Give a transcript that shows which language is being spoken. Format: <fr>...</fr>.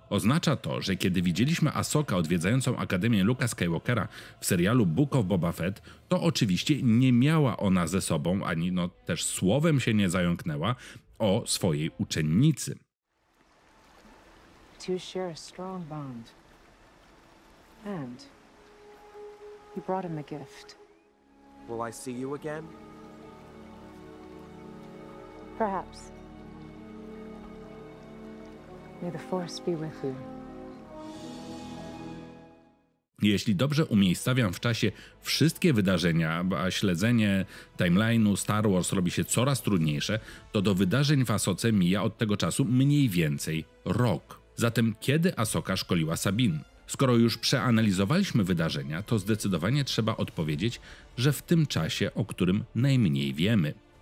<pl>Oznacza to, że kiedy widzieliśmy Ahsoka odwiedzającą Akademię Luke'a Skywalkera w serialu Book of Boba Fett, to oczywiście nie miała ona ze sobą, ani no też słowem się nie zająknęła o swojej uczennicy.</pl> <en>To share a strong bond. And you brought him a gift. Will I see you again? Perhaps. May the force be with you.</en> <pl>Jeśli dobrze umiejscawiam w czasie wszystkie wydarzenia, a śledzenie timeline'u Star Wars robi się coraz trudniejsze, to do wydarzeń w Ahsoce mija od tego czasu mniej więcej rok. Zatem kiedy Ahsoka szkoliła Sabine? Skoro już przeanalizowaliśmy wydarzenia, to zdecydowanie trzeba odpowiedzieć, że w tym czasie, o którym najmniej wiemy.</pl>